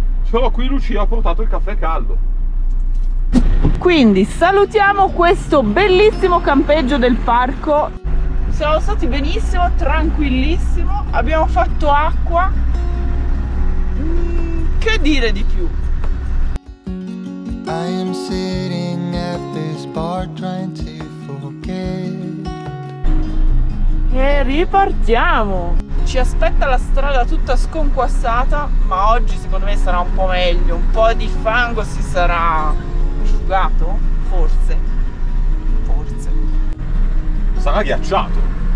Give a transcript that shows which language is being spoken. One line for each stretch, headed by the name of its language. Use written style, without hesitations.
Italian: Però qui Lucia ha portato il caffè caldo. Quindi salutiamo questo bellissimo campeggio del parco. Siamo stati benissimo, tranquillissimo, abbiamo fatto acqua. Che dire di più?
English: I am sitting at this bar trying to forget.
Italian: E ripartiamo! Ci aspetta la strada tutta sconquassata, ma oggi secondo me sarà un po' meglio, un po' di fango si sarà asciugato, forse. Forse. Sarà ghiacciato.